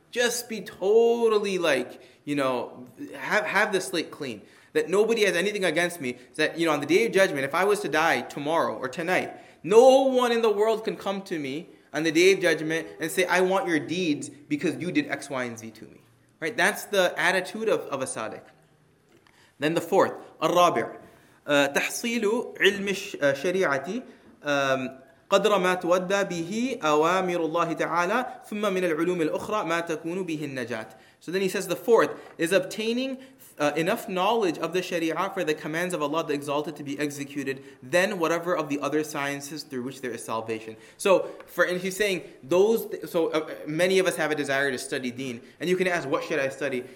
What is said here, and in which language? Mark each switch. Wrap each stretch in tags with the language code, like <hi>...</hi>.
<en>Just be totally like, you know, have the slate clean. That nobody has anything against me. That, you know, on the day of judgment, if I was to die tomorrow or tonight, no one in the world can come to me on the day of judgment and say, I want your deeds because you did X, Y, and Z to me. Right? That's the attitude of a sadiq. Then the fourth,</en> <ar>الرابع. تحصيلُ عِلْمِ الشَّرِيعَةِ قدر ما تودى به أوامر الله تعالى ثم من العلوم الأخرى ما تكون به النجاة.</ar> <en>So then he says the fourth is obtaining enough knowledge of the Sharia for the commands of Allah the Exalted to be executed, then whatever of the other sciences through which there is salvation. Many of us have a desire to study deen, and you can ask, what should I study?</en>